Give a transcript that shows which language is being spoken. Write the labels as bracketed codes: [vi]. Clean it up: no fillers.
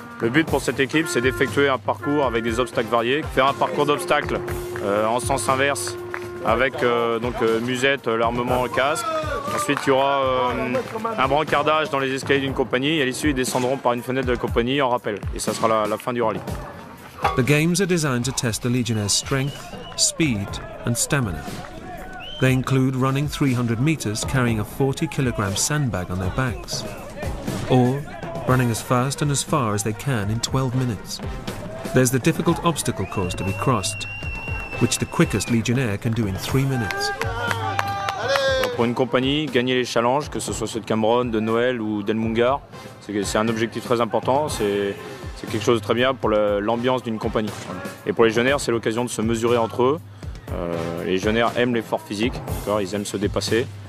[fr] Le but pour cette équipe c'est d'effectuer un parcours avec des obstacles variés, faire un parcours d'obstacles en sens inverse avec musette, l'armement, le casque. Ensuite il y aura un brancardage dans les escaliers d'une compagnie et à l'issue ils descendront par une fenêtre de la compagnie en rappel. Et ça sera la fin du rallye. [en] The games are designed to test the legionnaires' strength, speed and stamina. They include running 300 meters carrying a 40 kilogram sandbag on their backs, or running as fast and as far as they can in 12 minutes. There's the difficult obstacle course to be crossed, which the quickest legionnaire can do in 3 minutes. [fr] Pour une compagnie, gagner les challenges, que ce soit ceux de Cameroun, de Noël ou d'El Mungar, c'est un objectif très important. C'est quelque chose de très bien pour l'ambiance d'une compagnie. Et pour les jeunes, c'est l'occasion de se mesurer entre eux. Les jeunes aiment l'effort physique, d'accord, ils aiment se dépasser.